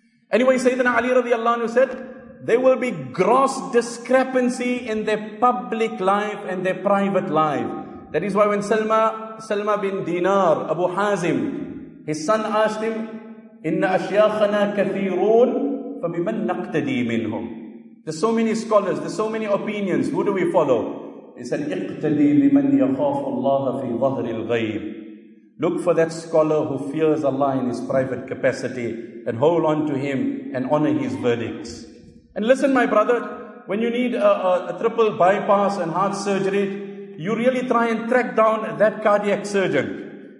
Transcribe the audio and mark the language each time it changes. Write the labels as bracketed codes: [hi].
[en] Anyway, Sayyidina Ali radiallahu anhu said, there will be gross discrepancy in their public life and their private life. That is why when Salma bin Dinar, Abu Hazim, his son asked him, [ar] إِنَّ أَشْيَاخَنَا كَثِيرُونَ فَبِمَنْ نَقْتَدِي مِنْهُمْ. [en] There's so many scholars, there's so many opinions. Who do we follow? He said, [ar] اِقْتَدِي بِمَنْ يَخَافُ اللَّهَ فِي ظَهْرِ الْغَيْبِ. [en] Look for that scholar who fears Allah in his private capacity and hold on to him and honor his verdicts. And listen, my brother, When you need a triple bypass and heart surgery, you really try and track down that cardiac surgeon.